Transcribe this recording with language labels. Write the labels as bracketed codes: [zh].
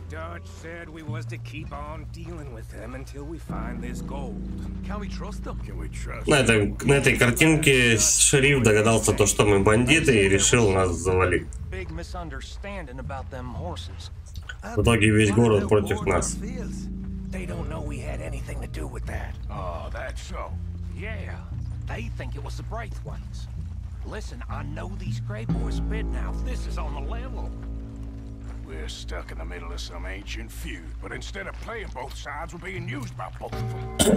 [en] Dutch said we was to keep on dealing with them until we find this gold. Can we trust them? Can we trust them? [ru] На этой картинке шериф догадался то, что мы бандиты, и решил нас завалить. [en] Big misunderstanding about them horses. [ru] В итоге весь город против нас. [en] They don't know we had anything to do with that. Oh, that's so. Yeah. They think it was the Braithwaite's. Listen, I know these Grey Boys bid now. This is on the level. We're stuck in the middle of some ancient feud, but instead of playing both sides, we're being used by both of them.